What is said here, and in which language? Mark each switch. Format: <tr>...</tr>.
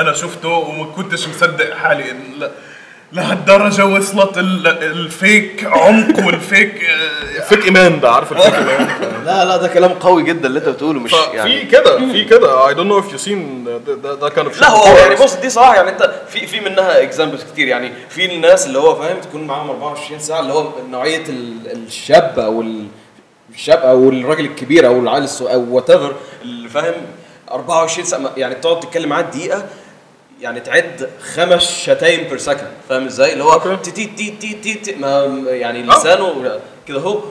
<ar>أنا شفته وما كنتش مصدق حالي لهالدرجة وصلت الفيك عمق والفيك فيك إيمان ده عارف الفيك إيمان. لا ده كلام قوي جدا اللي انت بتقوله. مش يعني في كده</ar> <en>I don't know if you seen</en> <ar>ده كان لا هو يعني بص دي صراحة يعني انت في منها examples كتير. يعني في الناس اللي هو فاهم تكون معهم 24 ساعة اللي هو نوعية الشاب او الراجل الكبير او العائل او whatever اللي فاهم 24 ساعة يعني تقعد تتكلم معاه دقيقة يعني تعد خمس</ar> <en>شتايم per second</en> <ar>فاهم ازاي اللي هو تي تي تي تي تي يعني لسانه كده هو.</ar>